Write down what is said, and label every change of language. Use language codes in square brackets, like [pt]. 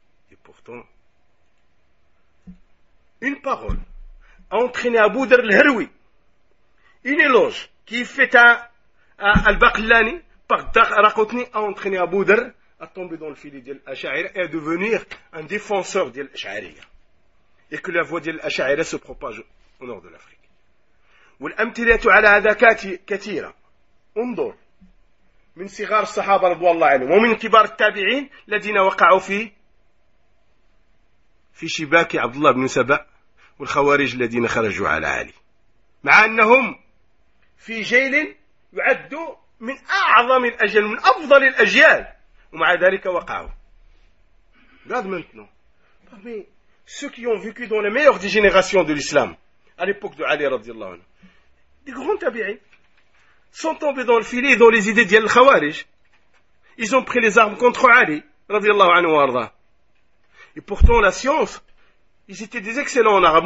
[fr] Et pourtant, une parole a entraîné Abu Dhar al-Harawi, une éloge qui est faite à Al-Baqlani par Daraqutni, a entraîné Abu Dhar à tomber dans le filet d'Al Asha'ira et à devenir un défenseur d'Al Asha'ira. Et que la voie d'Al Asha'ira se propage au nord de l'Afrique. [ar] والأمثلة على هذا كثيرة. انظر من صغار الصحابة رضوان الله عليهم ومن كبار التابعين الذين وقعوا في شباك عبد الله بن سبأ والخوارج الذين خرجوا على علي، مع أنهم في جيل يعد من أعظم الأجيال، من أفضل الأجيال، ومع ذلك وقعوا. [fr] regarde maintenant parmi ceux qui ont vécu dans les meilleures des générations de l'islam à l'époque de Ali رضي الله عنه، des grands tabi'in sont tombés dans le filet et dans les idées d'Yal Khawarij. Ils ont pris les armes contre Ali, radiallahu anhu wa arda. Et pourtant, la science, ils étaient des excellents en arabe.